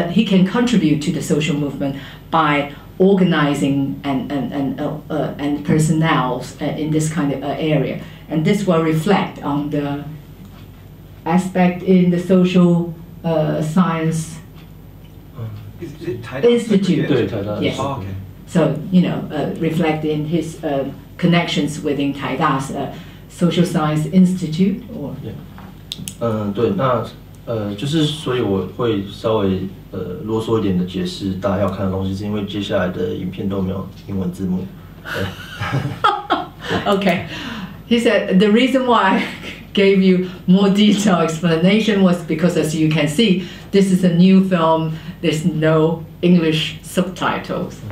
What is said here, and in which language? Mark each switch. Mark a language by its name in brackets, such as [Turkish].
[English] He can contribute to the social movement by organizing and personnel in this kind of area, and this will reflect on the aspect in the social science institute. [Chinese] 对，台大。 [English] Yes. Oh, okay. So you know, reflect in his connections within 台大 's social science institute. Or yeah. [Chinese] 对，那就是所以我会稍微啰嗦一点的解释大家要看的东西，是因为接下来的影片都没有英文字幕。 [English] Okay. He said the reason why. Gave you more detailed explanation was because, as you can see, this is a new film, there's no English subtitles.